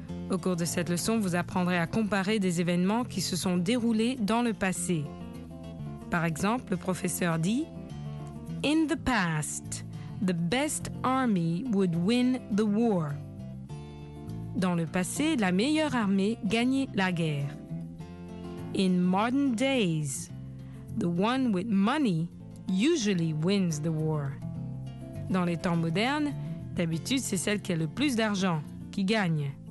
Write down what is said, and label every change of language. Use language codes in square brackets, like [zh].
[fr] Au cours de cette leçon, vous apprendrez à comparer des événements qui se sont déroulés dans le passé. Par exemple, le professeur dit, [en] In the past, the best army would win the war. [fr] Dans le passé, la meilleure armée gagnait la guerre. [en] In modern days, the one with money usually wins the war. [fr] Dans les temps modernes, d'habitude, c'est celle qui a le plus d'argent qui gagne.